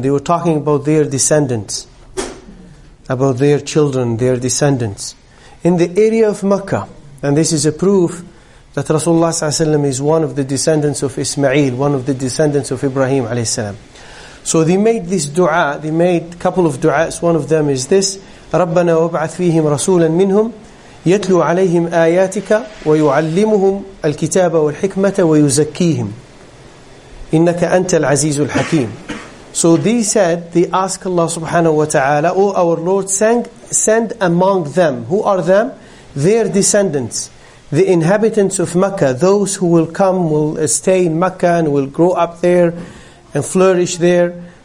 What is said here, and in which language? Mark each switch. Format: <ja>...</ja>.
<en>They were talking about their descendants, about their children, their descendants. In the area of Mecca, and this is a proof that Rasulullah sallallahu alayhi wa sallam is one of the descendants of Ismail, one of the descendants of Ibrahim alayhi salam. So they made this dua, they made a couple of duas. One of them is this,</en> <ar>Rabbana wab'ath fihim rasulan minhum, يَتْلُوا عَلَيْهِمْ آيَاتِكَ وَيُعَلِّمُهُمْ الْكِتَابَ وَالْحِكْمَةَ وَيُزَكِّيهِمْ إِنَّكَ أَنْتَ الْعَزِيزُ الْحَكِيمُ.</ar> <en>So they said, they ask Allah subhanahu wa ta'ala, O our Lord, send among them. Who are them? Their descendants, the inhabitants of Mecca, those who will come, will stay in Mecca and will grow up there and flourish there.</en>